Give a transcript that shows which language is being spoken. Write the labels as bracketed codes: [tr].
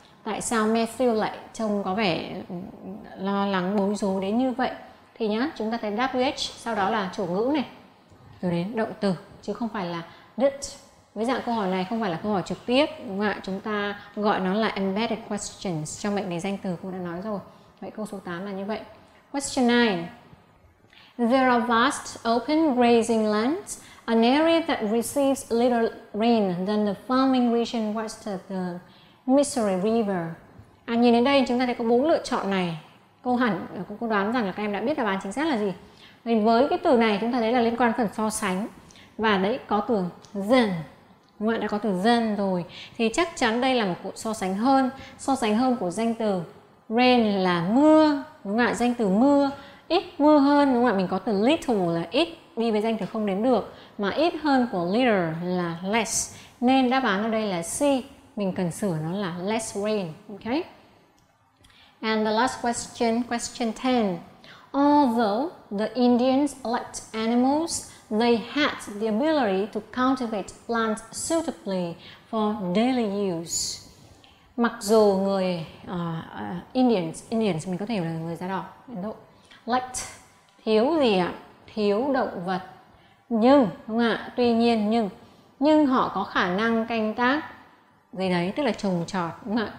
[vi] Tại sao Matthew lại trông có vẻ lo lắng bối rối đến như vậy? Thì nhá, chúng ta thấy WH sau đó là chủ ngữ này, rồi đến động từ, chứ không phải là did. Với dạng câu hỏi này không phải là câu hỏi trực tiếp, đúng không ạ? Chúng ta gọi nó là embedded questions, trong mệnh đề danh từ cô đã nói rồi. Vậy câu số 8 là như vậy. [en] Question 9. There are vast open grazing lands, an area that receives little rain than the farming region west of the Missouri River. [vi] À, nhìn đến đây chúng ta thấy có bốn lựa chọn này. Câu hẳn, cô đoán rằng là các em đã biết đáp án chính xác là gì. Nên với cái từ này chúng ta thấy là liên quan phần so sánh. Và đấy có từ than. Ngoại đã có từ than rồi. Thì chắc chắn đây là một cụm so sánh hơn. So sánh hơn của danh từ. Rain là mưa, đúng không ạ? Danh từ mưa, ít mưa hơn, đúng không ạ? Mình có từ little là ít, đi với danh từ không đến được, mà ít hơn của little là less. Nên đáp án ở đây là C, mình cần sửa nó là [en] less rain, [vi] ok? [en] And the last question, question 10. Although the Indians liked animals, they had the ability to cultivate plants suitably for daily use. [vi] Mặc dù người Indians mình có thể hiểu là người da đỏ, Ấn Độ, lacked, thiếu gì ạ? À? Thiếu động vật. Nhưng, đúng không ạ? Tuy nhiên nhưng họ có khả năng canh tác gì đấy, tức là trồng trọt, đúng không ạ?